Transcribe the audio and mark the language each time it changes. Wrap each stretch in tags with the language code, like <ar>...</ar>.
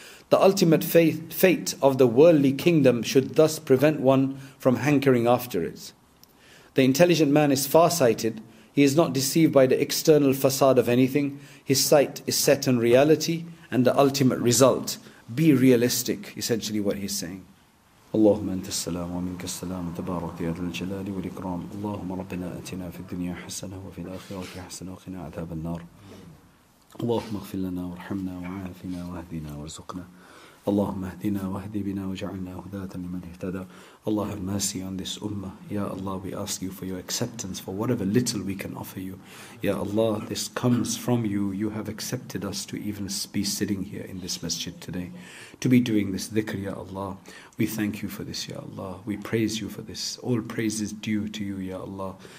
<en>The ultimate fate of the worldly kingdom should thus prevent one from hankering after it. The intelligent man is far-sighted. He is not deceived by the external facade of anything. His sight is set on reality and the ultimate result. Be realistic, essentially what he's saying.</en> <ar>اللهم أنت السلام ومنك السلام تبارك يا ذا الجلال والإكرام اللهم ربنا أتنا في الدنيا حسنة وفي الآخرة حسنة وقنا عذاب النار اللهم اغفر لنا وارحمنا وعافنا واهدنا وارزقنا اللهم اهدنا واهد بنا وجعلنا هداة لمن اهتدى</ar> <en>Allah have mercy on this ummah. Ya Allah, we ask you for your acceptance, for whatever little we can offer you. Ya Allah, this comes from you. You have accepted us to even be sitting here in this masjid today, to be doing this dhikr, Ya Allah. We thank you for this, Ya Allah. We praise you for this. All praise is due to you, Ya Allah.</en>